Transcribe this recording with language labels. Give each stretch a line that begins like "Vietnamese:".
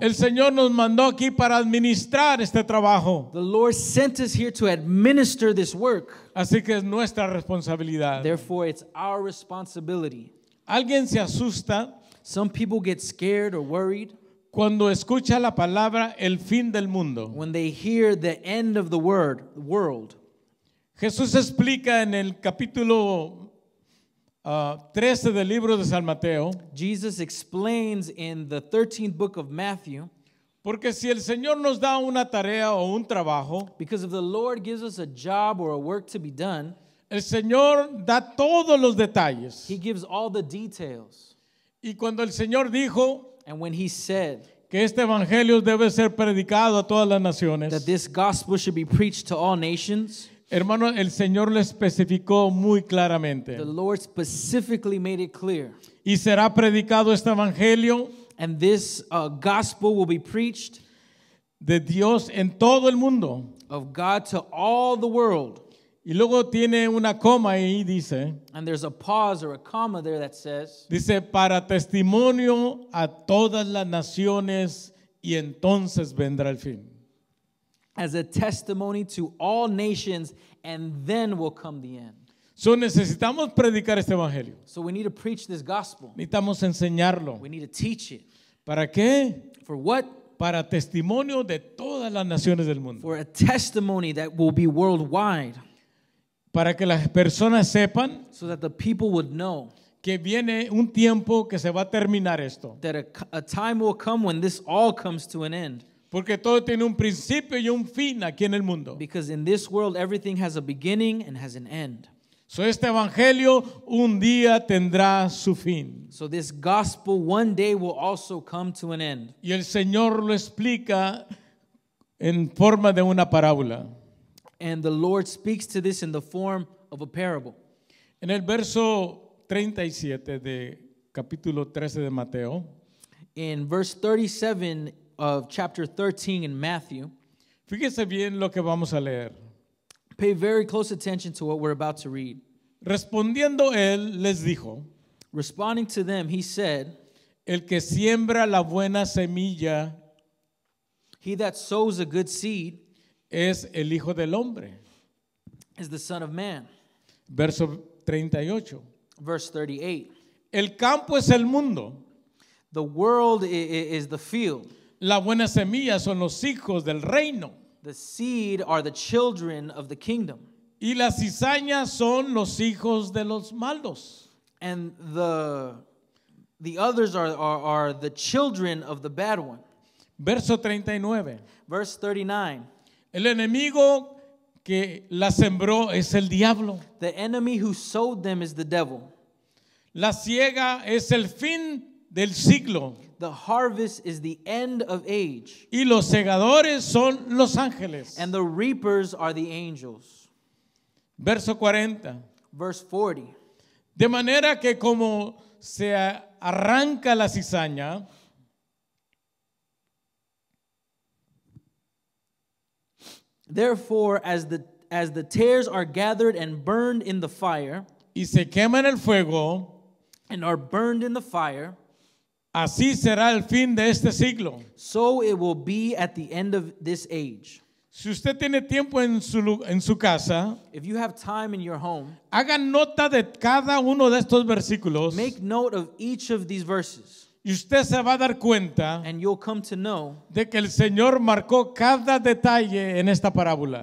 Spanish: El Señor nos mandó aquí para administrar este trabajo.
English: The Lord sent us here to administer this work.
Spanish: Así que es nuestra responsabilidad.
English: Therefore, it's our responsibility.
Spanish: Alguien se asusta.
English: Some people get scared or worried.
Spanish: Cuando escucha la palabra el fin del mundo.
English: When they hear the end of the word, world.
Spanish: Jesús explica en el capítulo 13 del libro de San Mateo.
English: Jesus explains in the 13th book of Matthew.
Spanish: Porque si el Señor nos da una tarea o un trabajo,
English: because if the Lord gives us a job or a work to be done,
Spanish: el Señor da todos los detalles.
English: He gives all the details.
Spanish: Y cuando el Señor dijo,
English: and when he said,
Spanish: que este evangelio debe ser predicado a todas las naciones,
English: that this gospel should be preached to all nations,
Spanish: hermano, el Señor lo especificó muy claramente.
English: The Lord specifically made it clear.
Spanish: Y será predicado este evangelio,
English: and this gospel will be preached,
Spanish: de Dios en todo el mundo,
English: of God to all the world.
Spanish: Y luego tiene una coma ahí, dice,
English: and there's a pause or a comma there that says,
Spanish: dice, para testimonio a todas las naciones, y entonces vendrá el fin.
English: As a testimony to all nations, and then will come the end.
Spanish: So necesitamos predicar este evangelio.
English: So we need to preach this gospel.
Spanish: Necesitamos enseñarlo.
English: We need to teach it.
Spanish: ¿Para qué?
English: For what?
Spanish: Para testimonio de todas las naciones del mundo.
English: For a testimony that will be worldwide.
Spanish: Para que las personas sepan,
English: so that the people would know,
Spanish: que viene un tiempo que se va a terminar esto.
English: That a time will come when this all comes to an end.
Spanish: Porque todo tiene un principio y un fin aquí en el mundo.
English: Because in this world everything has a beginning and has an end.
Spanish: So este evangelio un día tendrá su fin.
English: So this gospel one day will also come to an end.
Spanish: Y el Señor lo explica en forma de una parábola.
English: And the Lord speaks to this in the form of a parable.
Spanish: En el verso 37 de capítulo 13 de Mateo.
English: In verse 37 of chapter 13 in Matthew.
Spanish: Fíjese bien lo que vamos a leer.
English: Pay very close attention to what we're about to read.
Spanish: Respondiendo él, les dijo,
English: responding to them, he said,
Spanish: el que siembra la buena semilla,
English: he that sows a good seed,
Spanish: es el Hijo del Hombre,
English: is the Son of Man.
Spanish: Verso 38.
English: Verse 38.
Spanish: El campo es el mundo.
English: The world is the field.
Spanish: La buena semilla son los hijos del reino.
English: The seed are the children of the kingdom.
Spanish: Y la cizaña son los hijos de los malos.
English: And the others are the children of the bad one.
Spanish: Verso 39.
English: Verse 39.
Spanish: El enemigo que la sembró es el diablo.
English: The enemy who sowed them is the devil.
Spanish: La siega es el fin del siglo.
English: The harvest is the end of age.
Spanish: Y los segadores son los ángeles.
English: And the reapers are the angels.
Spanish: Verso 40.
English: Verse 40.
Spanish: De manera que como se arranca la cizaña,
English: therefore, as the tares are gathered and burned in the fire,
Spanish: y se quema en el fuego,
English: and are burned in the fire,
Spanish: así será el fin de este siglo.
English: So it will be at the end of this age.
Spanish: Si usted tiene tiempo en su casa,
English: if you have time in your home,
Spanish: haga nota de cada uno de estos versículos.
English: Make note of each of these verses.
Spanish: Y usted se va a dar cuenta,
English: and you'll come to know,
Spanish: de que el Señor marcó cada detalle en esta parábola.